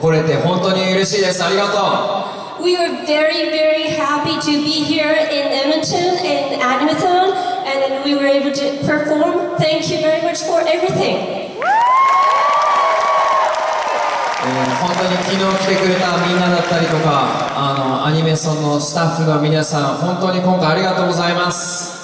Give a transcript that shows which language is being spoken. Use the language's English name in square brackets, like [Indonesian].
[Japanese] 来れて本当に嬉しいです。ありがとう。 [English] We are very, very happy to be here in Edmonton and Animethon, and we were able to perform. Thank you very much for everything. [Japanese] 本当に昨日来てくれたみんなだったりとか、アニメソンのスタッフの皆さん、本当に今回ありがとうございます。